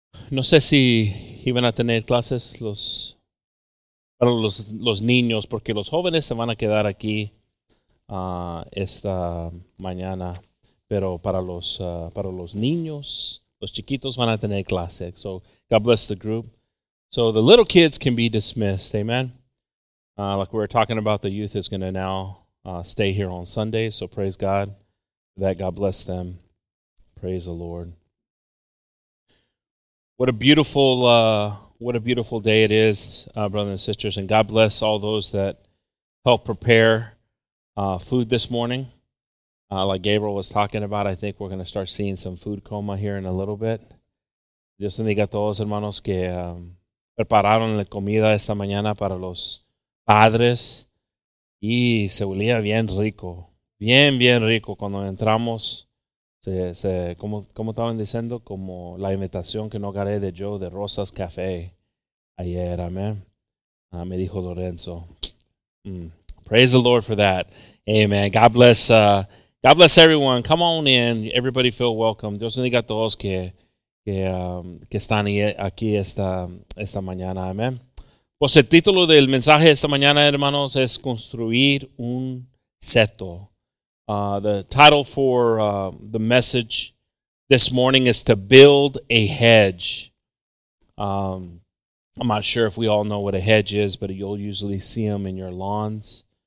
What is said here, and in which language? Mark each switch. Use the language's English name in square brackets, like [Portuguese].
[Spanish] No sé si iban a tener clases para los niños, porque los jóvenes se van a quedar aquí esta mañana. Pero para los niños, los chiquitos van a tener clase. [English] So God bless the group. So the little kids can be dismissed. Amen. Like we were talking about, the youth is going to now stay here on Sunday. So praise God for that. God bless them. Praise the Lord. What a beautiful day it is, brothers and sisters. And God bless all those that help prepare food this morning. Like Gabriel was talking about, I think we're going to start seeing some food coma here in a little bit. [Spanish] Dios bendiga a todos, hermanos, que prepararon la comida esta mañana para los padres. Y se olía bien rico. Bien, bien rico. Cuando entramos, como estaban diciendo, como la invitación que no agarré de Joe de Rosas Café ayer. [English] Amen. [Spanish] Me dijo Lorenzo. [English] Praise the Lord for that. Amen. God bless everyone. Come on in. Everybody feel welcome. [Spanish] Dios bendiga a todos que están aquí esta mañana. Amén. Pues el título del mensaje esta mañana, hermanos, es construir un seto. [English] The title for the message this morning is to build a hedge. I'm not sure if we all know what a hedge is, but you'll usually see them in your lawns.